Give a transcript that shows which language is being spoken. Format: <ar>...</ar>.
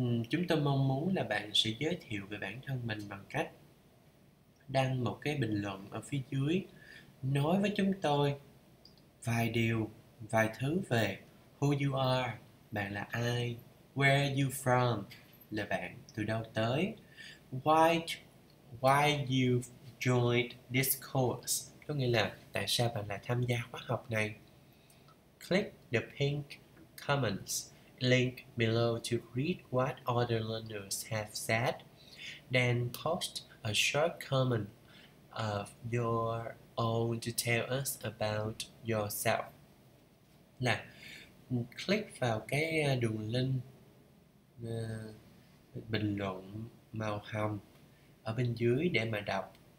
<vi>Chúng tôi mong muốn là bạn sẽ giới thiệu về bản thân mình bằng cách đăng một cái bình luận ở phía dưới, nói với chúng tôi vài điều, vài thứ về</vi> <en>who you are,</en> <vi>bạn là ai,</vi> <en>where you from,</en> <vi>là bạn từ đâu tới,</vi> <en>why you joined this course,</en> <vi>có nghĩa là tại sao bạn lại tham gia khóa học này.</vi> <en>Click the pink comments link below to read what other learners have said. Then post a short comment of your own to tell us about yourself.</en> <vi>Là click vào cái đường link bình luận màu hồng ở bên dưới để mà đọc</vi>